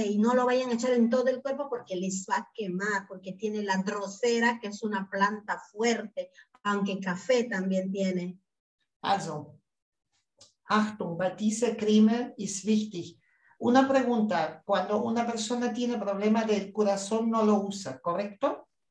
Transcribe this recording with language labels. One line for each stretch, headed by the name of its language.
Spanish: Y no lo vayan a echar en todo el cuerpo porque les va a quemar, porque tiene la drosera, que es una planta fuerte, aunque café también tiene.
German: Also, Achtung, bei dieser Creme ist wichtig.
Spanish: Una pregunta, cuando una persona tiene problema del corazón no lo usa, ¿correcto?